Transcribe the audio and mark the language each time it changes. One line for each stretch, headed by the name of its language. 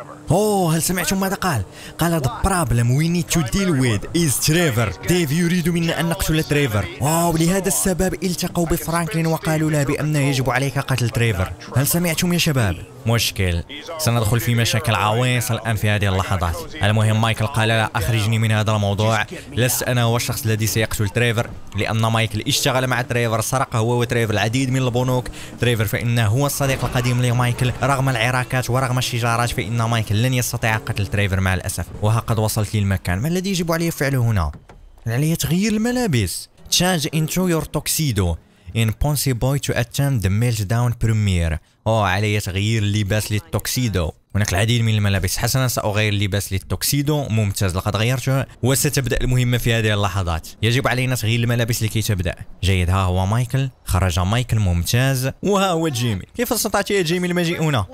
Arabic: اوه، هل سمعتم ماذا قال؟ قال
English: the problem we need to deal with is Trevor.
Arabic: ديف يريد منا أن نقتل تريفر. اوه، لهذا السبب التقوا بفرانكلين وقالوا له بأن يجب عليك قتل تريفر. هل سمعتم يا شباب؟ مشكل، سندخل في مشاكل عويصة الآن في هذه اللحظات. المهم، مايكل قال لا، أخرجني من هذا الموضوع. لست أنا هو الشخص الذي سيقتل تريفر، لأن مايكل اشتغل مع تريفر، سرق هو وتريفر العديد من البنوك. تريفر فإنه هو الصديق القديم لمايكل. رغم العراكات ورغم الشجارات، فإن مايكل لن يستطيع قتل تريفر مع الأسف. وها قد وصلت للمكان، ما الذي يجب علي فعله هنا؟ علي تغيير الملابس.
English: Change into your tuxedo in Ponzi Boy to attend the Meltdown premiere.
Arabic: اوه، علي تغيير لباس للتوكسيدو. هناك العديد من الملابس. حسنا، ساغير لباس للتوكسيدو. ممتاز، لقد غيرته. وستبدا المهمه في هذه اللحظات. يجب علينا تغيير الملابس لكي تبدا. جيد، ها هو مايكل. خرج مايكل، ممتاز. وها هو جيمي. كيف استطعت يا جيمي المجيء هنا؟